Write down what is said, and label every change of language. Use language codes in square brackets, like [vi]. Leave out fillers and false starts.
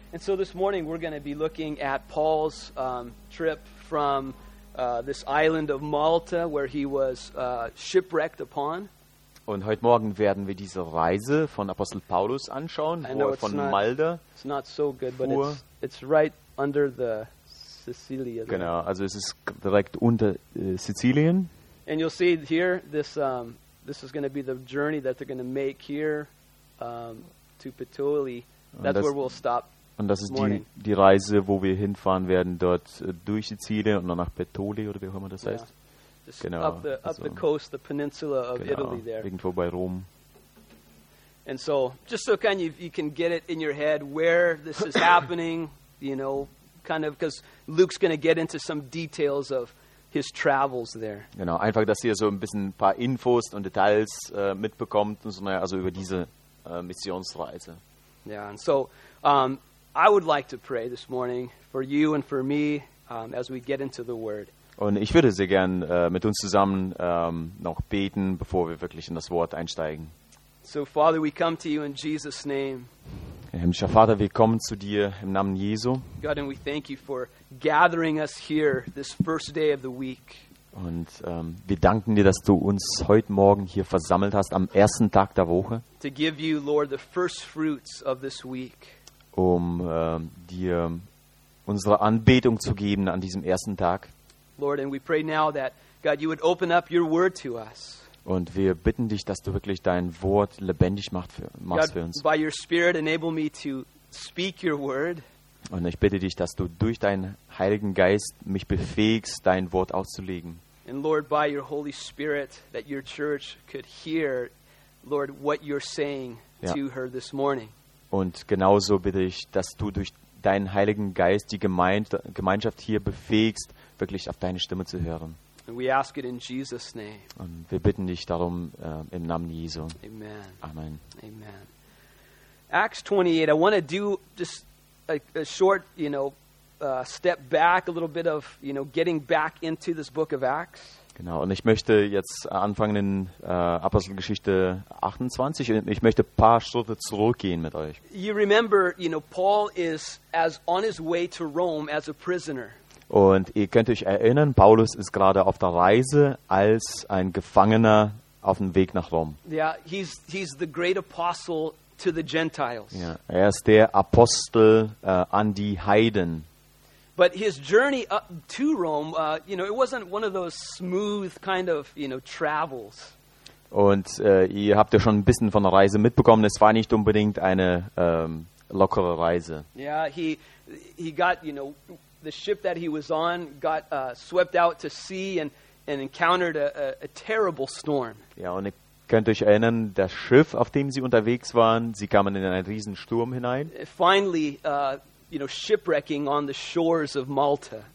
[en] And so this morning we're going to be looking at Paul's trip from this island of Malta, where he was shipwrecked upon. [de] Und heute Morgen werden wir diese Reise von Apostel Paulus anschauen, wo er von Malta fuhr. [en] It's not so good, but it's right under the Sicilia. [de] Genau, also es ist direkt unter Sizilien. [en] And you'll see here, this is going to be the journey that they're going to make here to Puteoli. That's where we'll stop. [de] Und das ist die Reise, wo wir hinfahren werden, dort durch die Ziele und dann nach Petoli oder wie auch immer das heißt. Genau. [en] Up the coast, the peninsula of Italy there. [de] Irgendwo bei Rom. [en] And so, just so kind of you can get it in your head where this is happening, you know, kind of, because Luke's going to get into some details of his travels there. [de] Genau, einfach, dass ihr so ein bisschen ein paar Infos und Details mitbekommt, und so, naja, also über diese Missionsreise. [en] Yeah, and so, I would like to pray this morning for you and for me as we get into the Word. [de] Und ich würde sehr gern mit uns zusammen noch beten, bevor wir wirklich in das Wort einsteigen. [en] So, Father, we come to you in Jesus' name. [de] Himmlischer Vater, wir kommen zu dir im Namen Jesu. [en] God, and we thank you for gathering us here this first day of the week. [de] Und wir danken dir, dass du uns heute Morgen hier versammelt hast, am ersten Tag der Woche. [en] To give you, Lord, the first fruits of this week. [de] Um dir unsere Anbetung zu geben an diesem ersten Tag. [en] Lord, and we pray now that God, you would open up your word to us. [de] Und wir bitten dich, dass du wirklich dein Wort lebendig machst für uns. [en] God, by your Spirit, enable me to speak your word. [de] Und ich bitte dich, dass du durch deinen Heiligen Geist mich befähigst, dein Wort auszulegen. [en] And Lord, by your Holy Spirit, that your church could hear, Lord, what you're saying to her this morning. [de] Und genauso bitte ich, dass du durch deinen Heiligen Geist die Gemeinschaft hier befähigst, wirklich auf deine Stimme zu hören. [en] And we ask it in Jesus' name. [de] Und wir bitten dich darum im Namen Jesu. Amen. Amen. Amen. [en] Acts 28, I want to do just a short, you know, step back, a little bit of, you know, getting back into this book of Acts. [de] Genau, und ich möchte jetzt anfangen in Apostelgeschichte 28 und ich möchte ein paar Schritte zurückgehen mit euch. [en] You remember, you know, Paul is on his way to Rome as a prisoner. [de] Und ihr könnt euch erinnern, Paulus ist gerade auf der Reise als ein Gefangener auf dem Weg nach Rom. [en] Yeah, he's the great apostle to the Gentiles. [de] Ja, er ist der Apostel an die Heiden. [en] But his journey up to Rome, you know, it wasn't one of those smooth kind of, you know, travels. [de] Und ihr habt ja schon ein bisschen von der Reise mitbekommen. Es war nicht unbedingt eine lockere Reise. [en] Yeah, he got, you know, the ship that he was on got swept out to sea and encountered a terrible storm. [de] Ja, und ihr könnt euch erinnern, das Schiff, auf dem sie unterwegs waren, sie kamen in einen riesen Sturm hinein. [en] Finally, you know, shipwrecking on the shores of Malta.